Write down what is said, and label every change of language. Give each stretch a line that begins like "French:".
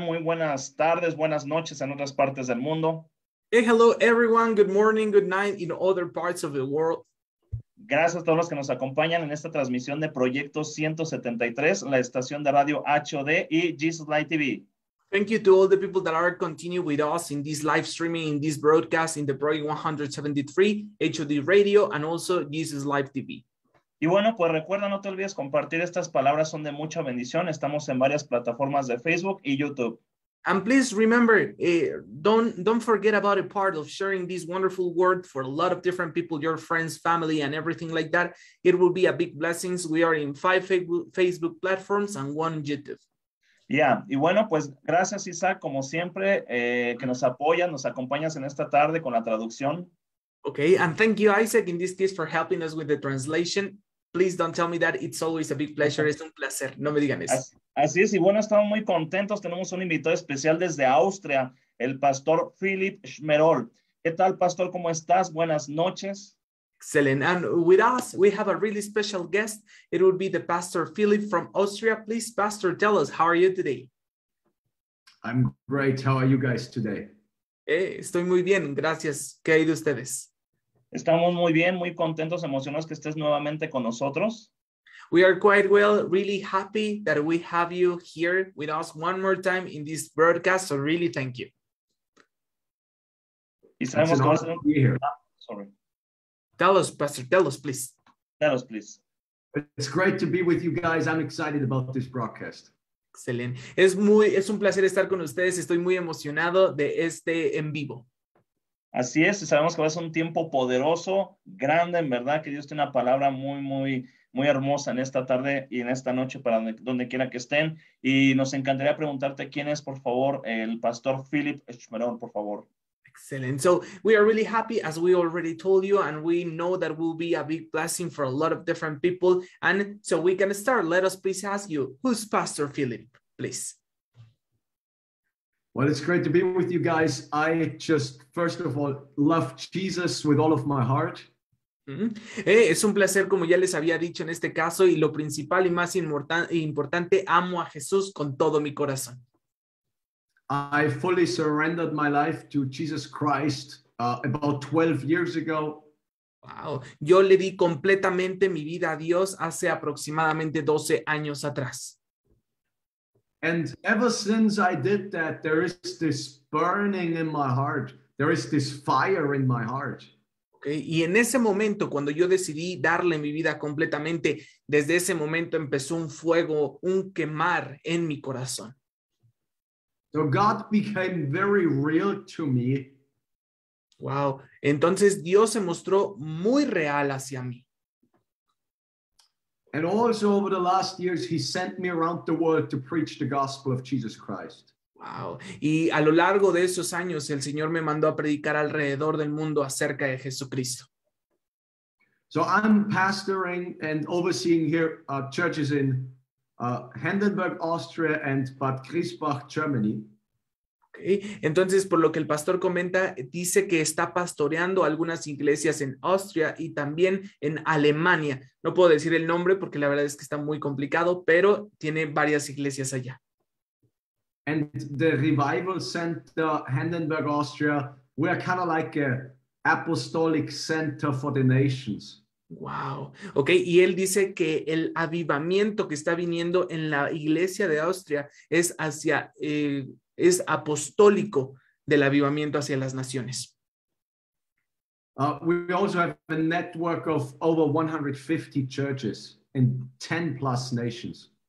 Spanish: Muy buenas tardes, buenas noches en otras partes del mundo.
English: Hey, hello everyone. Good morning, good night in other parts of the world.
Spanish: Gracias a todos los que nos acompañan en esta transmisión de Proyecto 173, la estación de radio HOD y Jesus Light TV.
English: Thank you to all the people that are continuing with us in this live streaming, in this broadcast, in the Project 173, HOD Radio, and also Jesus Light TV.
Spanish: Y bueno, pues recuerda, no te olvides compartir estas palabras, son de mucha bendición. Estamos en varias plataformas de Facebook y YouTube.
English: And please remember, don't forget about a part of sharing this wonderful word for a lot of different people, your friends, family, and everything like that. It will be a big blessing. We are in 5 Facebook platforms and 1 YouTube.
Spanish: Yeah, y bueno, pues gracias Isaac, como siempre, que nos apoyas, nos acompañas en esta tarde con la traducción.
English: Okay, and thank you, Isaac, in this case, for helping us with the translation. Please don't tell me that. It's always a big pleasure.
Spanish: Es un placer. No me digan eso. Así es, y bueno, estamos muy contentos. Tenemos un invitado especial desde Austria, el pastor Philipp Schmerold. ¿Qué tal, pastor? ¿Cómo estás? Buenas noches.
English: Excellent. And with us, we have a really special guest. It would be the pastor Philipp from Austria. Please, pastor, tell us, how are you today? I'm great. How are you guys today?
Spanish: Estoy muy bien, gracias. ¿Qué hay de ustedes? Estamos muy bien, muy contentos, emocionados que estés nuevamente con nosotros.
English: We are quite well, really happy that we have you here with us one more time in this broadcast, so really thank you.
Spanish: Y sabemos que vas a estar aquí.
English: Sorry. Tell us, pastor, tell us, please. Tell us, please. It's great to be with you guys. I'm excited about this broadcast.
Spanish: Excelente. Es un placer estar con ustedes. Estoy muy emocionado de este en vivo. Así es. Sabemos que va a ser un tiempo poderoso, grande, en verdad, que Dios tiene una palabra muy, muy, muy hermosa en esta tarde y en esta noche para donde quiera que estén. Y nos encantaría preguntarte quién es, por favor, el pastor Philipp Schmerold, por favor.
English: Excellent. So we are really happy, as we already told you, and we know that will be a big blessing for a lot of different people. And so we can start. Let us please ask you, who's Pastor Philipp, please? Well, it's great to be with you guys. I just, first of all, love Jesus with all of my heart. Mm-hmm.
Spanish: Es un placer, como ya les había dicho en este caso, y lo principal y más importante, amo a Jesús con todo mi corazón.
English: I fully surrendered my life to Jesus Christ about 12 years ago.
Spanish: Wow. Yo le di completamente mi vida a Dios hace aproximadamente 12 años atrás.
English: And ever since I did that, there is this burning in my heart. There is this fire in my heart. Okay.
Spanish: Y en ese momento, cuando yo decidí darle mi vida completamente, desde ese momento empezó un fuego, un quemar en mi corazón.
English: So God became very real to me. Wow.
Spanish: Entonces Dios se mostró muy real hacia mí.
English: And also over the last years, he sent me around the world to preach the gospel of Jesus Christ. Wow.
Spanish: Y a lo largo de esos años, el Señor me mandó a predicar alrededor del mundo acerca de Jesucristo.
English: So I'm pastoring and overseeing here churches in Handenberg, Austria, and Bad Griesbach, Germany. Okay.
Spanish: Entonces, por lo que el pastor comenta, dice que está pastoreando algunas iglesias en Austria y también en Alemania. No puedo decir el nombre porque la verdad es que está muy complicado, pero tiene varias iglesias allá.
English: And the Revival Center, Handenberg, Austria, we are kind of like an apostolic center for the nations. Wow.
Spanish: Ok, y él dice que el avivamiento que está viniendo en la iglesia de Austria es hacia, es apostólico del avivamiento hacia las naciones.
English: We also have a network of over 150 churches in 10 plus nations.